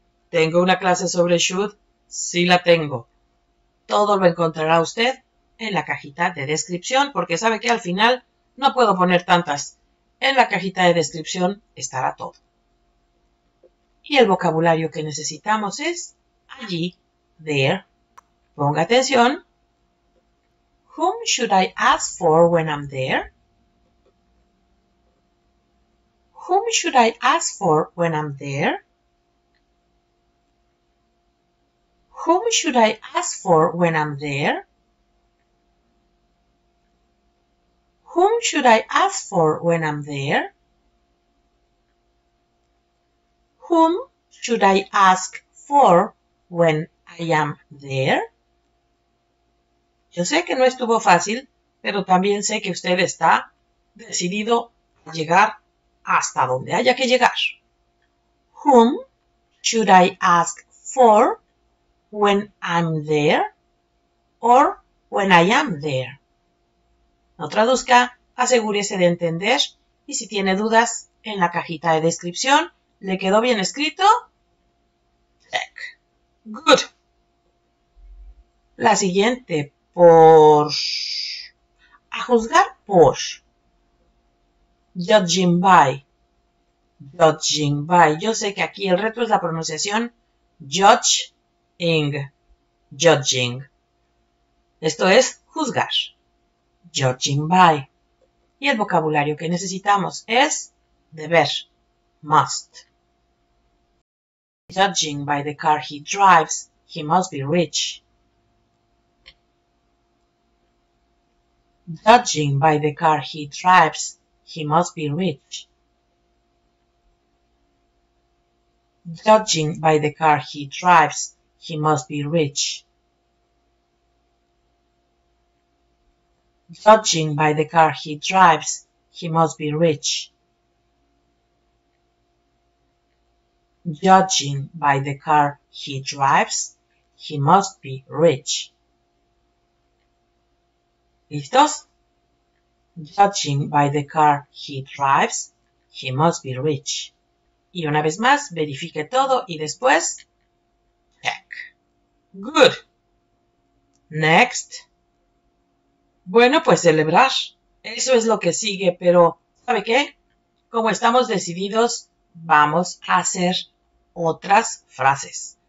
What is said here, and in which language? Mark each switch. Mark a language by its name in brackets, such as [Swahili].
[Spanish] ¿Tengo una clase sobre should? Sí la tengo. Todo lo encontrará usted en la cajita de descripción, porque sabe que al final no puedo poner tantas. En la cajita de descripción estará todo. Y el vocabulario que necesitamos es allí, there. Ponga atención. [English] Whom should I ask for when I'm there? Whom should I ask for when I'm there? Whom should I ask for when I'm there? Whom should I ask for when I'm there? Whom should I ask for when I am there? [Spanish] Yo sé que no estuvo fácil, pero también sé que usted está decidido a llegar hasta donde haya que llegar. [English] Whom should I ask for when I'm there or when I am there? [Spanish] No traduzca, asegúrese de entender y si tiene dudas, en la cajita de descripción, ¿le quedó bien escrito? [English] Check. Good. [Spanish] La siguiente, por... A juzgar por... [English] Judging by... Judging by. [Spanish] Yo sé que aquí el reto es la pronunciación. [English] Judging. Judging. [Spanish] Esto es juzgar. [English] Judging by. [Spanish] Y el vocabulario que necesitamos es deber. [English] Must. Judging by the car he drives, he must be rich. Judging by the car he drives, he must be rich. Judging by the car he drives, he must be rich. Judging by the car he drives, he must be rich. Judging by the car he drives, he must be rich. [Spanish] ¿Listos? [English] Judging by the car he drives, he must be rich. [Spanish] Y una vez más, verifique todo y después, [English] check. Good. Next. [Spanish] Bueno, pues celebrar. Eso es lo que sigue, pero ¿sabe qué? Como estamos decididos, vamos a hacer otras frases.